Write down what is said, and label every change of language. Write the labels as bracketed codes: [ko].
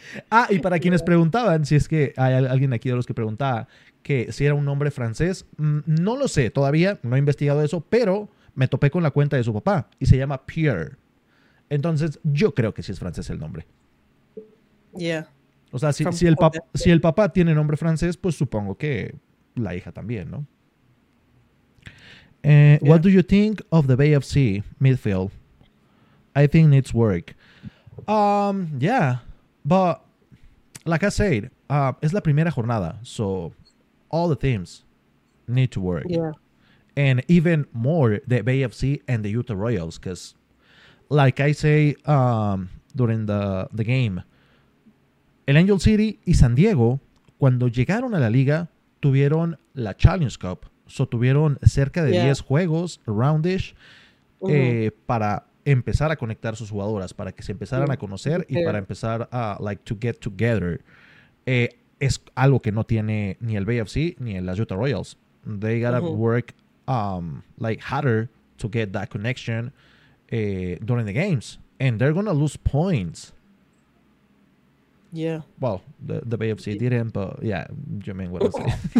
[es] Ah, y para quienes preguntaban, si es que hay alguien aquí de los que preguntaba que si era un nombre francés, no lo sé todavía, no he investigado eso, pero me topé con la cuenta de su papá y se llama Pierre. Entonces, yo creo que sí es francés el nombre. [en] Yeah. [es] O sea, si el papá tiene nombre francés, pues supongo que la hija también, ¿no? [en] What do you think of the Bay FC midfield? I think needs work. But, like I said, [es] es la primera jornada, [en] so all the teams need to work. Yeah. And even more the Bay FC and the Utah Royals, because, like I say during the game, [es] el Angel City y San Diego, cuando llegaron a la liga, tuvieron la Challenge Cup. [en] So [es] tuvieron cerca de 10 juegos, roundish, para... empezar a conectar sus jugadoras para que se empezaran a conocer y para empezar a [en] like to get together. [es] Es algo que no tiene ni el BFC ni el Utah Royals. [en] They gotta work like harder to get that connection during the games. And they're gonna lose points. Yeah. Well, the BFC didn't, but yeah, you mean what I say.